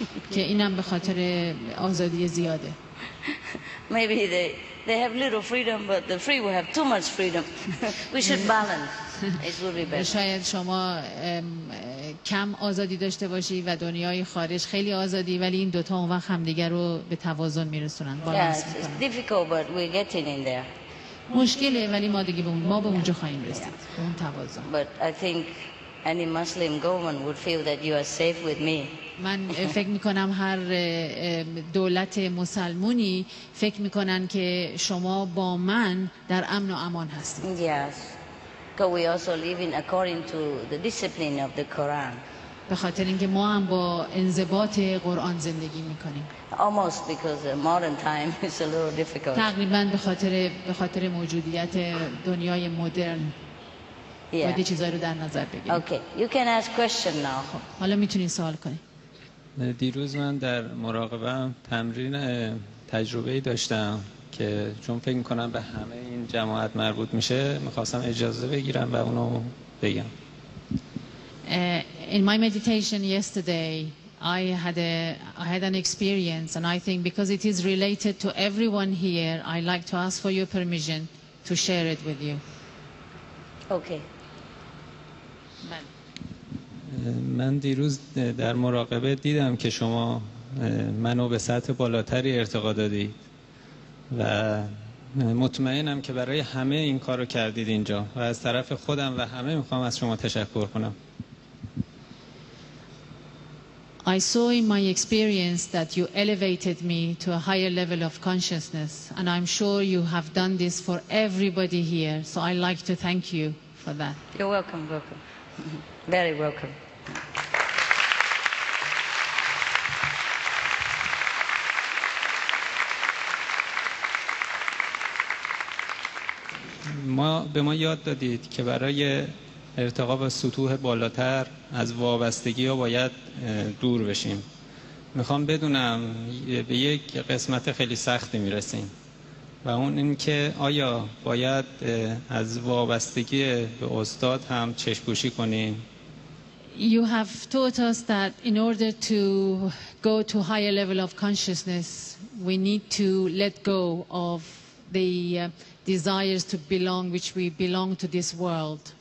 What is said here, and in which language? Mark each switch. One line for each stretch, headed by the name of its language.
Persian: که اینم به خاطر آزادی زیاده.
English: Maybe they have little freedom but the free will have too much freedom. We should balance. It will be better.
Persian: شاید شما کم آزادی داشته باشی و دنیای خارج خیلی آزادی ولی این دوتا اون وقت همدیگر رو به توازن میرسونن.
English: Yeah, it's difficult but we're getting in there.
Persian: مشکله ولی ما دیگه به اونجا خواهیم رسید. به اون توازن.
English: But I think any Muslim government would feel that you are safe with me.
Persian: من فکر میکنم هر دولت مسلمونی فکر میکنن که شما با من در امن و امان هستید.
English: Yes. Because we also live in according to the discipline of the Quran.
Persian: به خاطر اینکه ما هم با انضباط قرآن زندگی میکنیم.
English: Almost because the modern time is a little difficult.
Persian: تقریبا به خاطر موجودیت دنیای مدرن.
English: Yeah.
Persian: باید چیزایی رو در نظر بگیریم.
English: Okay. You can ask question now.
Persian: خب. حالا میتونین سوال کنین. دیروز من در مراقبم تمرین تجربه‌ای داشتم که چون فکر می‌کنم به همه این جماعت مربوط میشه می‌خواستم اجازه بگیرم و اونو بگم.
English: In my meditation yesterday I had an experience and I think because it is related to everyone here I like to ask for your permission to share it with you. Okay.
Persian: من دیروز در مراقبه دیدم که شما منو به سطح بالاتری ارتقا دادید و مطمئنم که برای همه این کار رو کردید اینجا و از طرف خودم و همه میخوام از شما تشکر کنم.
English: I saw in my experience that you elevated me to a higher level of consciousness and I'm sure you have done this for everybody here so I'd like to thank you for that. You're welcome, welcome. Very welcome.
Persian: ما به ما یاد دادید که برای ارتقا به سطوح بالاتر از وابستگی ها باید دور بشیم. میخوام بدونم به یک قسمت خیلی سختی میرسیم و اون این که آیا باید از وابستگی به استاد هم چشم‌پوشی کنیم؟
English: You have taught us that in order to go to higher level of consciousness, we need to let go of the desires to belong, which we belong to this world.